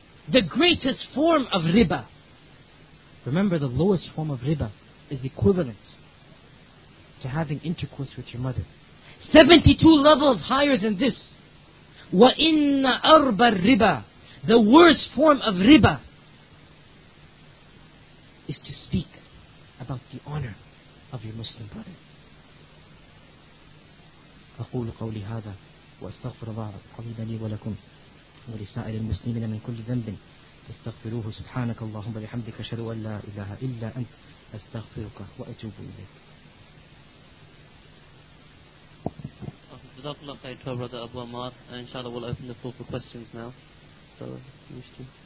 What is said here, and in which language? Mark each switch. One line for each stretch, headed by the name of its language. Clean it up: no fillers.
English: The greatest form of riba. Remember, the lowest form of riba is equivalent to having intercourse with your mother. 72 levels higher than this.
Arabic: Wa inna arba riba.
English: The worst form of riba is to speak about the honor of your Muslim brother.
Arabic: أقول قولي هذا وأستغفر الله العظيم لي ولكم ولسائر المسلمين من كل ذنب فاستغفروه سبحانك اللهم وبحمدك أشهد أن لا إله إلا أنت أستغفرك وأتوب إليك. جزاكم الله خير
English: to our brother Abu Ammar. Inshallah, we'll open the floor for questions now. So, wish to.